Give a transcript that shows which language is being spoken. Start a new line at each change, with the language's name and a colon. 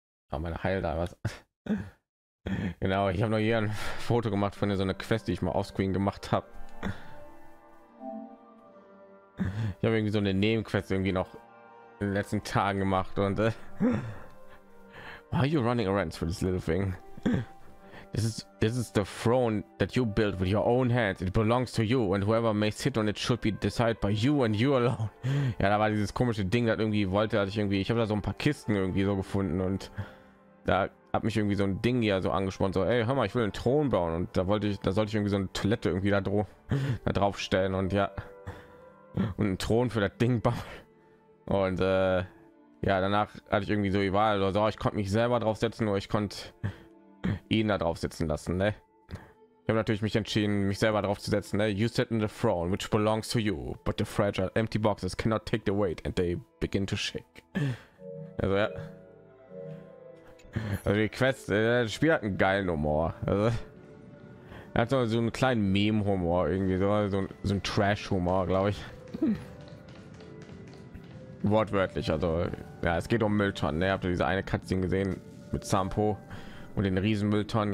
German: Meine Heil da was. Genau, ich habe noch hier ein Foto gemacht von so einer Quest, die ich mal offscreen gemacht habe. Ich habe irgendwie so eine Nebenquest irgendwie noch in den letzten Tagen gemacht und
English: why are you running around for this little thing? This is the throne that you built with your own hands. It belongs to you and whoever may sit on it should be decided by you and you alone.
German: Ja, da war dieses komische Ding, das irgendwie wollte, dass ich irgendwie, ich habe da so ein paar Kisten irgendwie so gefunden und da hat mich irgendwie so ein Ding ja so angesprochen, so ey, hör mal, ich will einen Thron bauen und da sollte ich irgendwie so eine Toilette irgendwie da drauf stellen und ja, und einen Thron für das Ding bauen und ja, danach hatte ich irgendwie so die Wahl, so, ich konnte mich selber drauf setzen oder ich konnte ihn da drauf sitzen lassen, ne? Ich habe natürlich mich entschieden, mich selber drauf zu setzen, ne?
English: You sit in the throne which belongs to you, but the fragile empty boxes cannot take the weight and they begin to shake.
German: Also ja. Also die Quest, das Spiel hat einen geilen Humor. Also, er hat so einen kleinen Meme-Humor irgendwie, so ein Trash-Humor, glaube ich. Wortwörtlich, also ja, es geht um Mülltonnen. Ne? Habt ihr diese eine Cutscene gesehen mit Sampo und den riesen Mülltonnen?